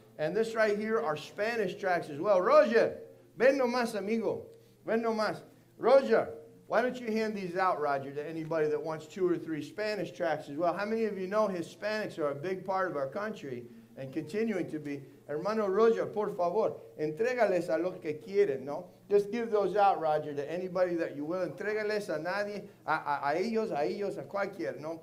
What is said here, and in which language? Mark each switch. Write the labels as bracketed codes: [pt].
[en] And this right here are Spanish tracts as well. Roger, [es] ven nomás, amigo. Ven nomás. [en] Roger, why don't you hand these out, Roger, to anybody that wants 2 or 3 Spanish tracts as well? How many of you know Hispanics are a big part of our country and continuing to be? [es] Hermano Roger, por favor, entregales a los que quieren, no? [en] Just give those out, Roger, to anybody that you will. [es] Entregales a nadie, a ellos, a cualquiera, no?